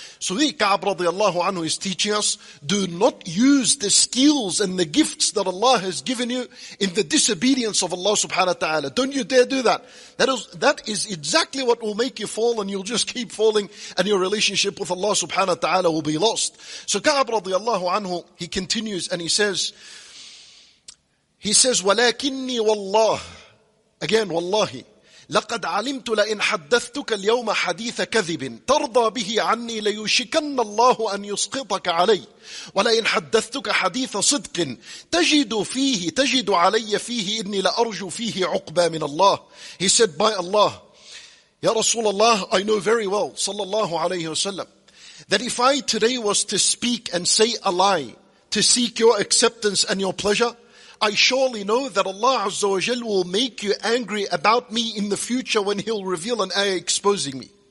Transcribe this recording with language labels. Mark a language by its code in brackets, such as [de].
[en] So he, Ka'b radiallahu anhu, is teaching us, do not use the skills and the gifts that Allah has given you in the disobedience of Allah subhanahu wa ta'ala. Don't you dare do that. That is exactly what will make you fall, and you'll just keep falling, and your relationship with Allah subhanahu wa ta'ala will be lost. So Ka'b radiallahu anhu, he continues and he says, [ar] وَلَكِنِّي وَاللَّهِ. [en] Again, Wallahi. [ar] لقد علمت لئن حدثتك اليوم حديث كذب ترضى به عني ليشكن الله أن يسقطك علي ولئن حدثتك حديث صدق تجد علي فيه إني لأرجو فيه عقبى من الله. [en] He said, by Allah, Ya Rasulullah, I know very well, sallallahu alayhi wasallam, that if I today was to speak and say a lie to seek your acceptance and your pleasure, I surely know that Allah Azza wa Jal will make you angry about me in the future when He'll reveal an ayah exposing me.